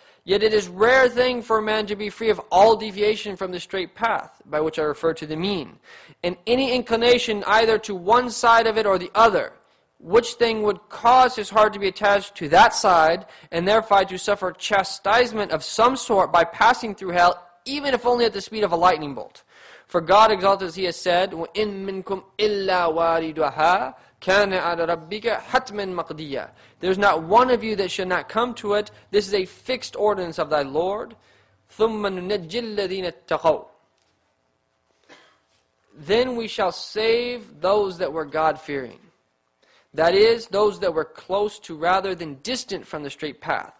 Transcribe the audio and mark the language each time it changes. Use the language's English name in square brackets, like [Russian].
[English] Yet it is rare thing for a man to be free of all deviation from the straight path, by which I refer to the mean, and any inclination either to one side of it or the other, which thing would cause his heart to be attached to that side, and thereby to suffer chastisement of some sort by passing through hell, even if only at the speed of a lightning bolt. For God exalted, as he has said, [Arabic] وَإِن مِنْكُمْ إِلَّا وَارِدُهَا كَانَ عَلَى رَبِّكَ حَتْمًا مَقْدِيًّا. [English] There is not one of you that should not come to it. This is a fixed ordinance of thy Lord. [Arabic] ثُمَّ نُنَجِّ الَّذِينَ اتَّقَوْا. [English] Then we shall save those that were God-fearing. That is, those that were close to rather than distant from the straight path.